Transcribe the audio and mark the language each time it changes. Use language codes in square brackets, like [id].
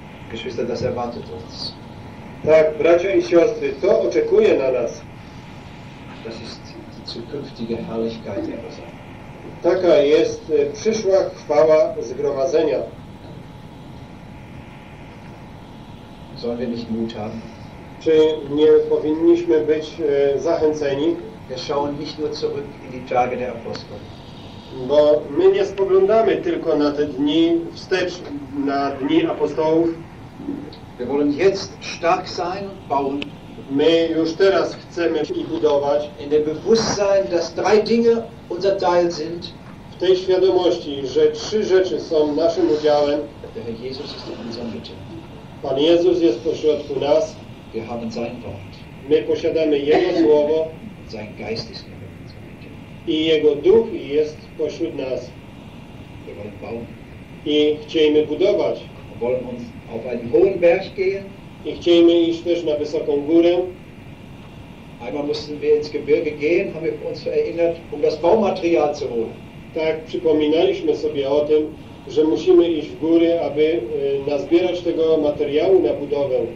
[de] Geschwister, das erwartet uns. [pl] Tak, bracia i siostry, to oczekuje na nas. [de] Das ist die zukünftige Herrlichkeit der Versammlung. [pl] Taka jest przyszła chwała zgromadzenia. [de] Sollen wir nicht Mut haben? [pl] Czy nie powinniśmy być zachęceni? [de] Wir schauen nicht nur zurück in die Tage der Apostel. [pl] Bo my nie spoglądamy tylko na te dni wstecz, na dni apostołów. [de] Wir wollen jetzt stark sein und bauen. [pl] My już teraz chcemy i budować. [de] In dem Bewusstsein, dass drei Dinge unser Teil sind. [pl] W tej świadomości, że trzy rzeczy są naszym udziałem. [de] Der Herr Jesus ist in unserer Mitte. [pl] Pan Jezus jest pośrodku nas. [de] Wir haben sein Wort. [pl] My posiadamy Jego Słowo. [de] Sein Geist ist in unserer Mitte. [pl] I Jego Duch jest pośród nas. [de] Wir wollen bauen. [pl] I chcemy budować. [de] Wir wollen uns auf einen hohen Berg gehen. [pl] I chcemy iść też na wysoką górę. [de] Einmal mussten wir ins Gebirge gehen, haben wir uns erinnert, um das Baumaterial zu holen. [pl] Tak, przypominaliśmy sobie o tym, że musimy iść w góry, aby nazbierać tego materiału na budowę.